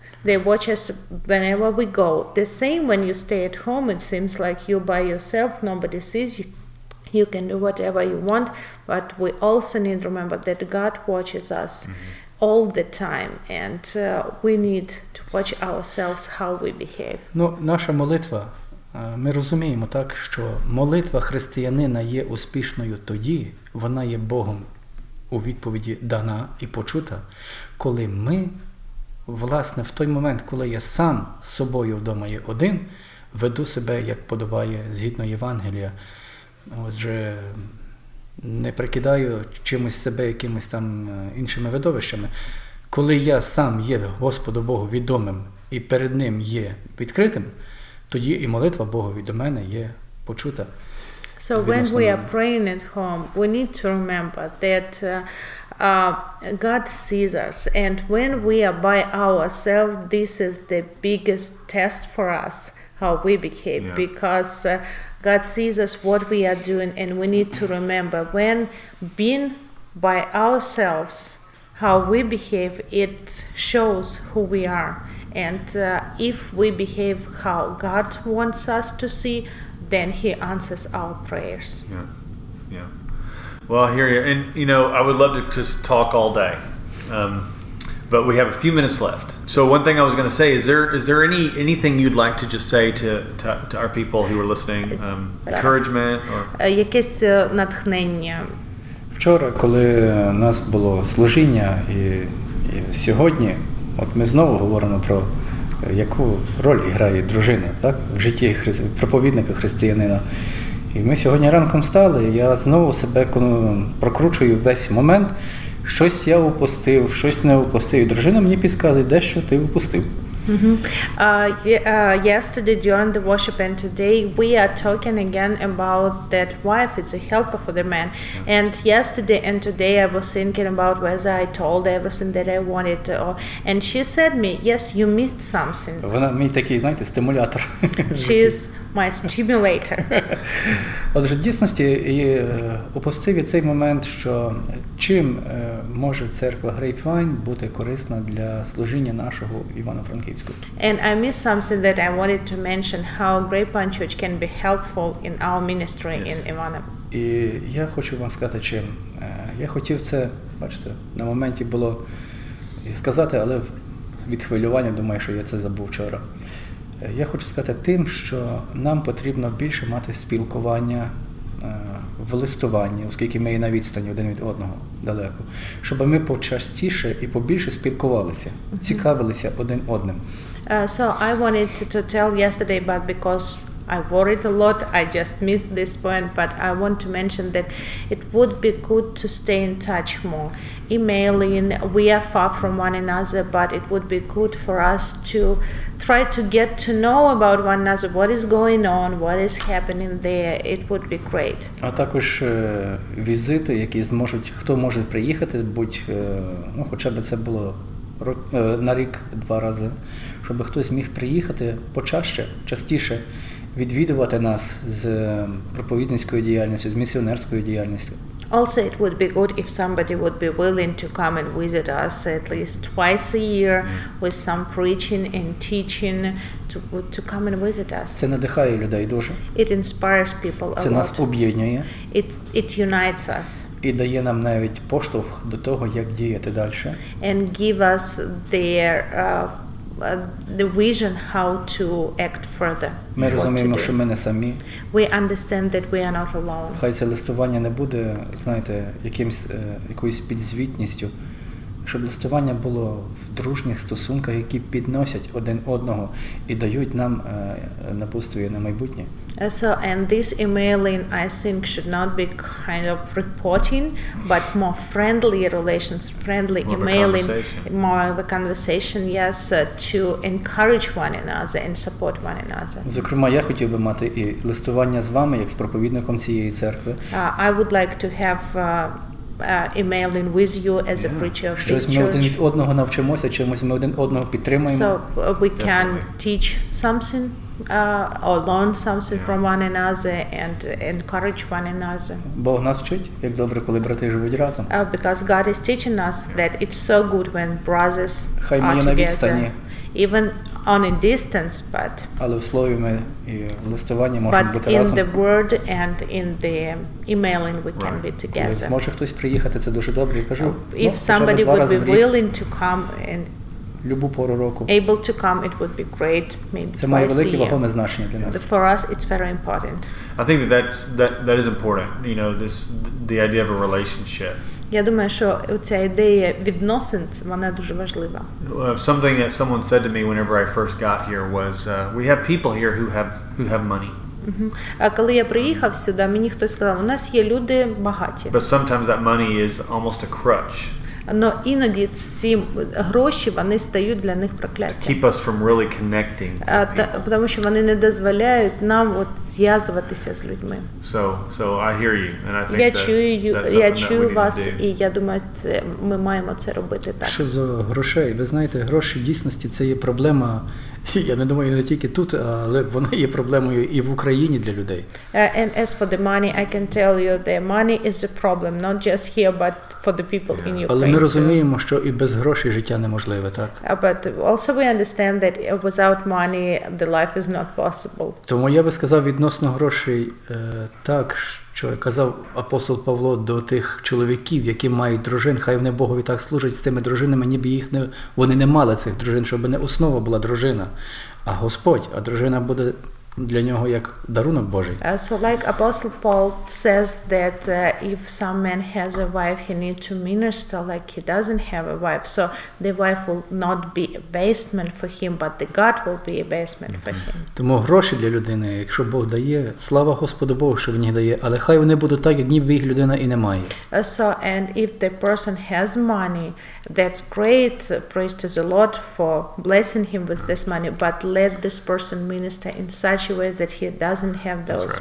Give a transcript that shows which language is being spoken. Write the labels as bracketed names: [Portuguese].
[English] They watch us whenever we go. The same when you stay at home, it seems like you're by yourself, nobody sees you. You can do whatever you want, but we also need to remember that God watches us mm-hmm. all the time, and we need to watch ourselves how we behave. [Ukrainian] Ну, наша молитва, ми розуміємо так, що молитва християнина є успішною тоді, вона є Богом у відповіді дана і почута, коли ми власне, в той момент, коли я сам з собою вдома є один, веду себе, як подобає, згідно Євангелія. Отже, не прикидаю чимось себе якимось там іншими видовищами. Коли я сам є Господу Богу відомим і перед ним є відкритим, тоді і молитва Богові до мене є почута. [English] So when we are praying at home, we need to remember that God sees us, and when we are by ourselves, this is the biggest test for us, how we behave, yeah. Because God sees us, what we are doing, and we need to remember, when being by ourselves, how we behave, it shows who we are, and if we behave how God wants us to see, then He answers our prayers. Yeah. Well, I hear you. And, you know, I would love to just talk all day. But we have a few minutes left. So one thing I was going to say, is there anything you'd like to just say to our people who are listening? Encouragement? [Ukrainian] Якесь натхнення. Вчора, коли у нас було служіння, і сьогодні, от ми знову говоримо про яку роль грає дружина так, в житті проповідника християнина. І ми сьогодні ранком стали, я знову себе прокручую весь момент, щось я упустив, щось не упустив. Дружина мені підказує, дещо ти упустив. [English] Yesterday during the worship and today we are talking again about that wife is a helper for the man. And yesterday and today I was thinking about whether I told everything that I wanted to. And she said me, yes, you missed something. [Ukrainian] Вона мій такий, знаєте, стимулятор. [English] She is my stimulator. [Ukrainian] Отже, в дійсності упостивлю цей момент, що чим може церква Grapevine бути корисна для служіння нашого Івано-Франківського. [English] And I missed something that I wanted to mention, how Grapevine Church can be helpful in our ministry in Ivano. [Ukrainian] І я хочу вам сказати, чим. Я хотів це, бачите, на моменті було сказати, але від хвилювання думаю, що я це забув вчора. Я хочу сказати тим, що нам потрібно більше мати спілкування в листуванні, оскільки ми є на відстані один від одного далеко, щоб ми почастіше і побільше спілкувалися, цікавилися один одним. [English] So I wanted to tell yesterday, but because I worried a lot, I just missed this point, but I want to mention that it would be good to stay in touch more. Emailing, we are far from one another, but it would be good for us to try to get to know about one another, what is going on, what is happening there, it would be great. [Ukrainian] А також візити, які зможуть, хто може приїхати, будь, ну, хоча б це було на рік два рази, щоб хтось міг приїхати почаще, частіше, відвідувати нас з проповідницькою діяльністю, з місіонерською діяльністю. [English] Also, it would be good if somebody would be willing to come and visit us at least twice a year with some preaching and teaching to come and visit us. [Ukrainian] Це надихає людей дуже. [English] It inspires people a lot. [Ukrainian] Це нас об'єднує. [English] It unites us. [Ukrainian] І дає нам навіть поштовх до того, як діяти далі. [English] And give us the vision how to act further. [Ukrainian] Ми розуміємо, що ми не самі. [English] We understand that we are not alone. [Ukrainian] Хай це листування не буде, знаєте, якоюсь підзвітністю, щоб листування було в дружніх стосунках, які підносять один одного і дають нам напутствие на майбутнє. [English] So, and this emailing, I think, should not be kind of reporting, but more friendly relations, friendly more emailing, of more of a conversation, yes, to encourage one another and support one another. [Ukrainian] Зокрема, я хотів би мати і листування з вами, як з проповідником цієї церкви. [English] I would like to have emailing with you as a preacher of [Ukrainian] Щось [English] this church. [Ukrainian] Ми один одного навчимося, чимось ми один одного підтримуємо. [English] So, we can teach something. Or learn something from one another and encourage one another. [Ukrainian] Бог нас вчить, як добре, коли брати живуть разом. [English] Because God is teaching us that it's so good when brothers [Ukrainian] Хай [English] are [Ukrainian] на відстані. [English] Together. Even on a distance, but... [Ukrainian] Але в слові ми і в листуванні можемо бути разом. [English] But in the word and in the emailing we can be together. [Ukrainian] Коли зможе хтось приїхати, це дуже добре. Я кажу, [English] if somebody would be willing to come and [Ukrainian] Любу пору року. [English] Able to come, it would be great. Maybe [Ukrainian] це має велике вагоме значення для нас. [English] For us, it's very important. I think that is important. You know, this the idea of a relationship. [Ukrainian] Я думаю, що ця ідея відносин, вона дуже важлива. [English] Something that someone said to me whenever I first got here was, we have people here who have money. [Ukrainian] А коли я приїхав сюди, мені хтось сказав, у нас є люди багаті. [English] But sometimes that money is almost a crutch. [Ukrainian] Но іноді ці гроші, вони стають для них прокляттям. [English] Keep us from really connecting. [Ukrainian] Тому що вони не дозволяють нам от зв'язуватися з людьми. [English] So I hear you and I think [Ukrainian] я чую вас, і я думаю, ми маємо це робити так. Що за грошей? Ви знаєте, гроші в дійсності це є проблема. Я не думаю, не тільки тут, але вона є проблемою і в Україні для людей. [English] And as for the money, I can tell you the money is a problem, not just here, but for the people in Ukraine. [Ukrainian] Але ми розуміємо, що і без грошей життя неможливе, так? [English] But also we understand that without money the life is not possible. [Ukrainian] Тому я би сказав відносно грошей так, що казав апостол Павло до тих чоловіків, які мають дружин, хай вони Богові так служать з цими дружинами, ніби їх не вони не мали цих дружин, щоб не основа була дружина. А Господь, а дружина буде для нього як дарунок Божий. [English] So like Apostle Paul says that if some man has a wife, he need to minister like he doesn't have a wife. So the wife will not be a basement for him, but the God will be a basement for him. [Ukrainian] Тому гроші для людини, якщо Бог дає, слава Господу Богу, що Він їх дає, але хай вони будуть так, як ніби їх людина і не має. [English] So and if the person has money, that's great, praise to the Lord for blessing him with this money, but let this person minister in such a way that he doesn't have those